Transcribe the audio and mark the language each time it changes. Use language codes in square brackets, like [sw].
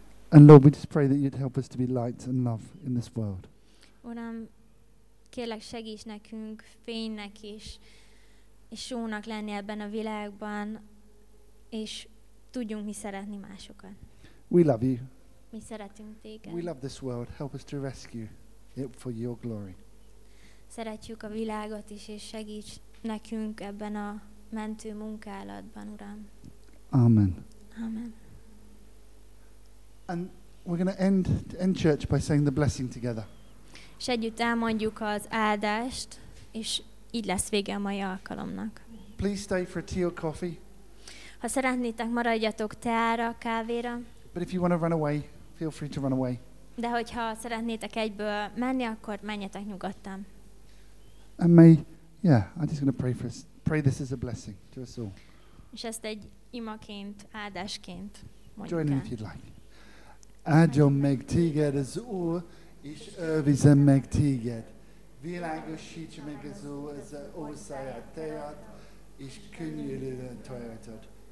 [en] And Lord, we just pray that you'd help us to be light and love in this world. [hu] Uram, kérlek segíts nekünk fénynek is, és sónak lenni ebben a világban, és tudjunk mi szeretni másokat. [en] We love you. [hu] Mi szeretünk téged. [en] We love this world. Help us to rescue it for your glory. [hu] Szeretjük a világot is, és segíts nekünk ebben a mentő munkálatban, Uram. [en] Amen. [hu] Amen. [en] And we're going to end church by saying the blessing together. [hu] És együtt elmondjuk az áldást, és így lesz vége a mai alkalomnak. [en] Please stay for tea or coffee. [hu] Ha szeretnétek, maradjatok teára, kávéra. [en] But if you want to run away, feel free to run away. [hu] De hogyha szeretnétek egyből menni, akkor menjetek nyugodtan. [en] And may, yeah, I'm just going to pray for us. Pray this as a blessing to us all. [hu] És ezt egy imaként, áldásként mondjuk. [en] Join in if you'd like. [hu] Áldjon meg téged az Úr, és őrizzen meg téged. Világosítsa meg az Úr az orszáját teját, és könnyűlődjön te rajtad.